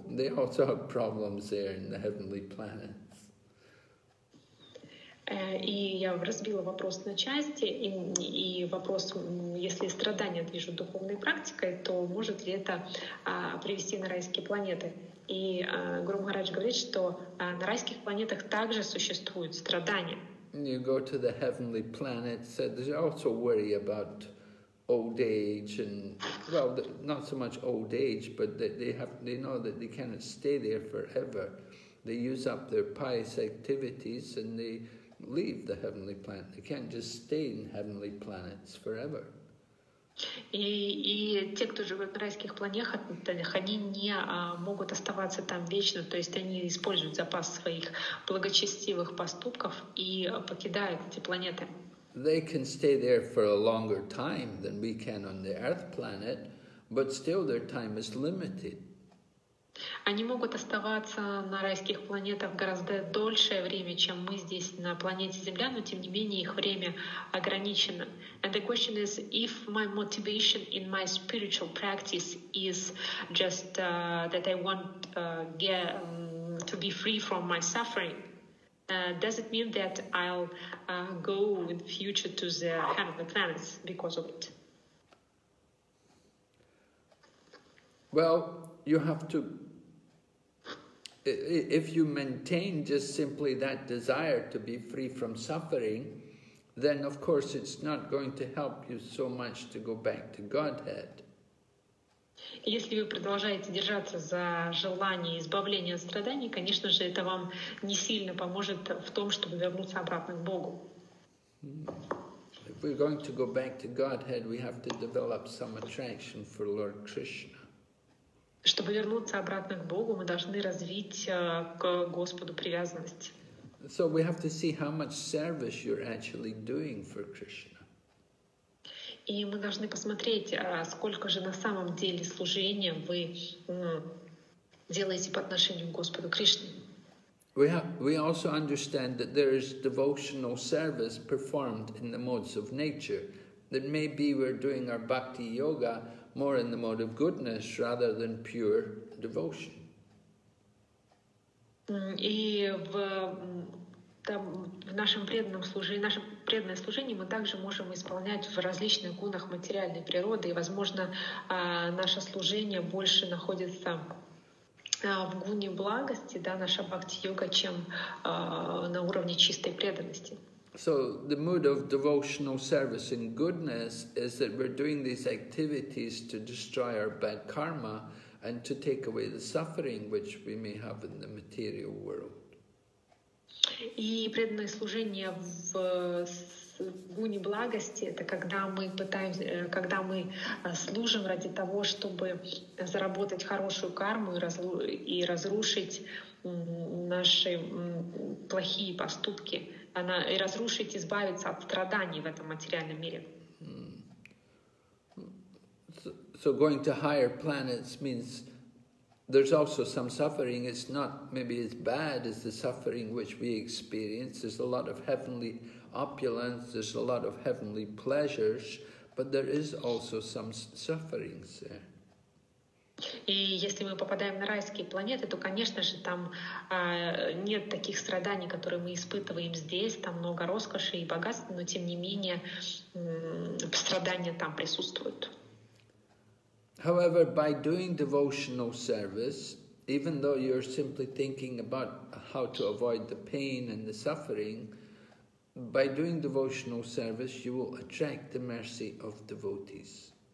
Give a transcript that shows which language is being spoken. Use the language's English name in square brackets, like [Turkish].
[English] They also have problems there in the heavenly planets. [Russian] И я разбила вопрос на части, и вопрос, если страдания движут духовной практикой, то может ли это привести на райские планеты? И Гуру Махарадж говорит, что на райских планетах также существуют страдания. [English] You go to the heavenly planets, they also worry about old age and, well, not so much old age, but they know that they cannot stay there forever. They use up their pious activities and they leave the heavenly planet. They can't just stay in heavenly planets forever. [Russian] И те, кто живет на райских планетах, они не могут оставаться там вечно, то есть они используют запас своих благочестивых поступков и покидают эти планеты. [English] They can stay there for a longer time than we can on the Earth planet, but still their time is limited. [Russian] Они могут оставаться на райских планетах гораздо дольшее время, чем мы здесь на планете Земля, но тем не менее их время ограничено. [English] And the question is, if my motivation in my spiritual practice is just that I want to be free from my suffering, Does it mean that I'll go in the future to the heavenly planets because of it? Well, you have to, if you maintain just simply that desire to be free from suffering, then of course it's not going to help you so much to go back to Godhead. [Russian] Если вы продолжаете держаться за желание избавления от страданий, конечно же, это вам не сильно поможет в том, чтобы вернуться обратно к Богу. [English] If we're going to go back to Godhead, we have to develop some attraction for Lord Krishna. [Russian] Чтобы вернуться обратно к Богу, мы должны развить к Господу привязанность. [English] So we have to see how much service you're actually doing for Krishna. [Russian] И мы должны посмотреть, сколько же на самом деле служения вы делаете по отношению к Господу Кришне. [English] We also understand that there is devotional service performed in the modes of nature. That maybe we're doing our bhakti yoga more in the mode of goodness rather than pure devotion. [Russian] И в там, в нашем преданном служении, нашем преданное служение мы также можем исполнять в различных гунах материальной природы, и, возможно, наше служение больше находится в гуне благости, да, наша бхакти-йога, чем на уровне чистой преданности. [English] So the mood of devotional service in goodness is that we're doing these activities to destroy our bad karma and to take away the suffering which we may have in the material world. [Russian] И преданное служение в гуне благости — это когда мы пытаемся, когда мы служим ради того, чтобы заработать хорошую карму и разрушить наши плохие поступки, и разрушить, избавиться от страданий в этом материальном мире. [English] So going to higher planets means there's also some suffering. It's not maybe as bad as the suffering which we experience. There's a lot of heavenly opulence, there's a lot of heavenly pleasures, but there is also some sufferings there. [Russian] И если мы попадаем на райские планеты, то, конечно же, там нет таких страданий, которые мы испытываем здесь, там много роскоши и богатства, но тем не менее страдания там присутствуют. [English] However, by doing devotional service, even though you're simply thinking about how to avoid the pain and the suffering, by doing devotional service, you will attract the mercy of devotees.